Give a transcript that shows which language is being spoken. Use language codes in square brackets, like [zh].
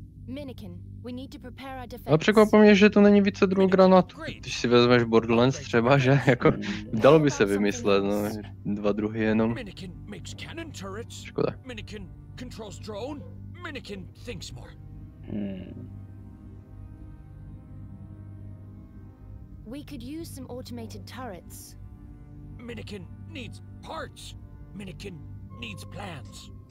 [en] Minikin, we need to prepare our defense. [cs] Ale překvapilo mě, že to není více druhou granátu. Když si vezmeš Borderlands třeba, že jako dalo by se vymyslet, no, dva druhy jenom. [en] Minikin makes cannon turrets. [cs] Škoda. [en] Minikin controls drone. Minikin thinks more. We could use some automated turrets. Minikin needs parts. Minikin needs plans.